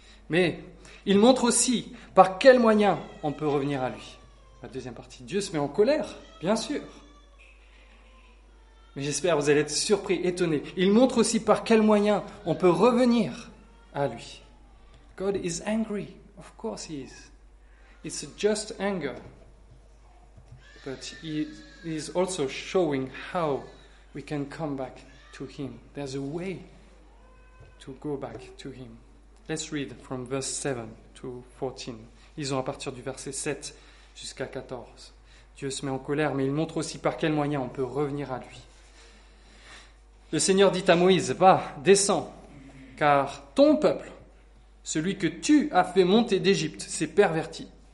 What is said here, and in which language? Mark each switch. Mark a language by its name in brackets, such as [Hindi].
[French] Mais il montre aussi par quels moyens on peut revenir à lui. La deuxième partie, Dieu se met en colère, bien sûr. Mais j'espère que vous allez être surpris, étonnés. Il montre aussi par quels moyens on peut revenir à lui. [English] God is angry, of course he is. It's a just anger. But he is also showing how we can come back to him. There's a way to go back to him. Let's read from verse 7 to 14. [French] Lisons à partir du verset 7 jusqu'à 14. Dieu se met en colère, mais il montre aussi par quel moyen on peut revenir à lui. Le Seigneur dit à Moïse, « Va, descends, car ton peuple, celui que tu as fait monter d'Égypte, s'est perverti.